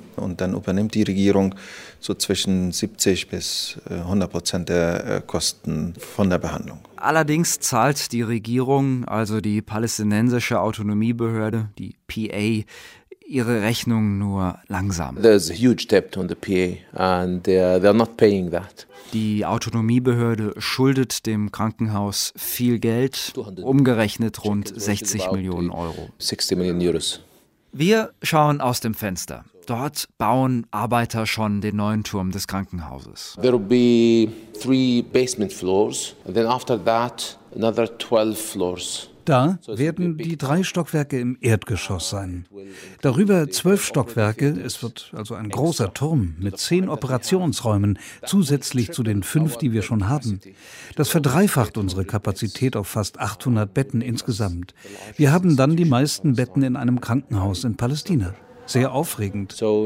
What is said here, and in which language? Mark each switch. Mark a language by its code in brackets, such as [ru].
[de] Und dann übernimmt die Regierung so zwischen 70-100% der Kosten von der Behandlung. Allerdings zahlt die Regierung, also die palästinensische Autonomiebehörde, die PA, ihre Rechnung nur langsam. [en] There's a huge debt on the PA and they're not paying that. [de] Die Autonomiebehörde schuldet dem Krankenhaus viel Geld, umgerechnet rund 60 Millionen Euro. 60 Millionen Euro. Wir schauen aus dem Fenster. Dort bauen Arbeiter schon den neuen Turm des Krankenhauses. [en] There will be 3 basement floors and then after that another 12 floors. [de] Da werden die 3 Stockwerke im Erdgeschoss sein. Darüber 12 Stockwerke, es wird also ein großer Turm mit 10 Operationsräumen, zusätzlich zu den 5, die wir schon haben. Das verdreifacht unsere Kapazität auf fast 800 Betten insgesamt. Wir haben dann die meisten Betten in einem Krankenhaus in Palästina. Sehr aufregend.